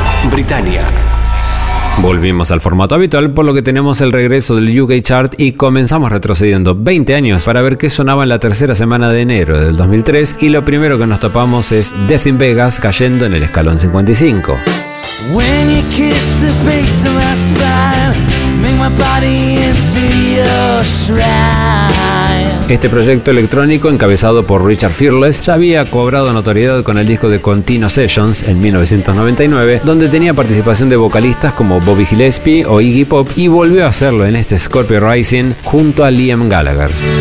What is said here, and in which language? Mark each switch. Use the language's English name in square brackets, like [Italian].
[English] Britannia. [Spanish] Volvimos al formato habitual, por lo que tenemos el regreso del UK Chart y comenzamos retrocediendo 20 años para ver qué sonaba en la tercera semana de enero del 2003 y lo primero que nos topamos es Death in Vegas cayendo en el escalón 55. [English] When you kiss the base of my spine, make my body into your shrine. [Spanish] Este proyecto electrónico, encabezado por Richard Fearless, ya había cobrado notoriedad con el disco de Contino Sessions en 1999, donde tenía participación de vocalistas como Bobby Gillespie o Iggy Pop, y volvió a hacerlo en este Scorpio Rising junto a Liam Gallagher.